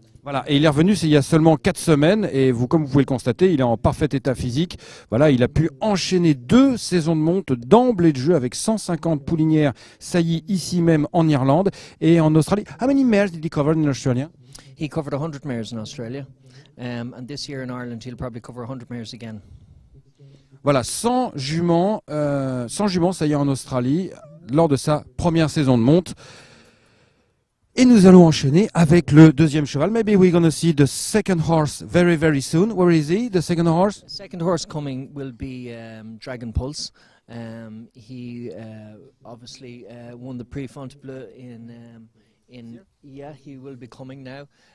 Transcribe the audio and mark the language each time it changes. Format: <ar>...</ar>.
<fr>Voilà, et il est revenu il y a seulement 4 semaines, et comme vous pouvez le constater, il est en parfait état physique. Voilà, il a pu enchaîner 2 saisons de monte d'emblée de jeu avec 150 poulinières saillies ici même en Irlande et en Australie.</fr> <en>How many mares did he cover in Australia? He covered 100 mares in Australia, and this year in Ireland he'll probably cover 100 mares again.</en> <fr>Voilà, 100 juments saillies en Australie lors de sa première saison de monte. Et nous allons enchaîner avec le deuxième cheval.</fr> <en>Maybe we're going to see the second horse very, very soon. Where is he, the second horse? The second horse coming will be Dragon Pulse. He obviously won the Prix Fontainebleau in yeah, he will be coming now.</en>